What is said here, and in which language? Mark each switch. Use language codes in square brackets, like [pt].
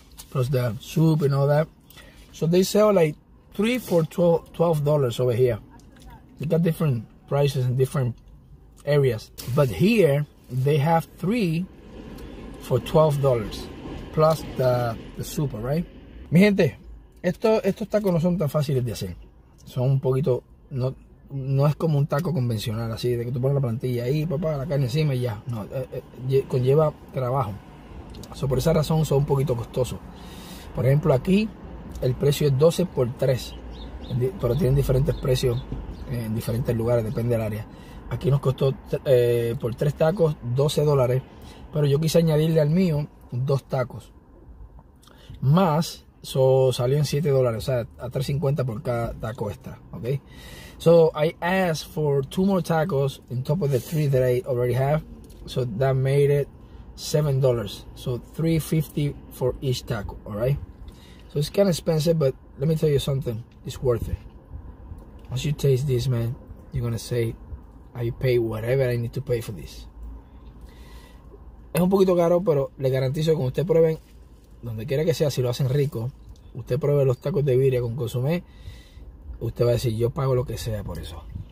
[en] Plus the soup and all that. So they sell like $12 over here. They got different prices and different areas, but here they have three for $12 plus the soup, right? [es] Mi gente, estos tacos no son tan fáciles de hacer. Son un poquito, no es como un taco convencional, así de que tú pones la plantilla ahí, papá, la carne encima y ya. No, conlleva trabajo. So, por esa razón son un poquito costosos. Por ejemplo, aquí el precio es 12 por 3, pero tienen diferentes precios en diferentes lugares, depende del área. Aquí nos costó por tres tacos $12, pero yo quise añadirle al mío dos tacos más, so salió en $7, o sea, a $3.50 por cada taco extra, ok. [en] So I asked for two more tacos on top of the three that I already have, so that made it $7, so $3.50 for each taco, alright. So it's kind of expensive, but let me tell you something, it's worth it. Once you taste this, man, you're gonna say I pay whatever I need to pay for this. [es] Es un poquito caro, pero le garantizo que cuando usted prueben, donde quiera que sea, si lo hacen rico, usted pruebe los tacos de birria con consomé, usted va a decir, yo pago lo que sea por eso.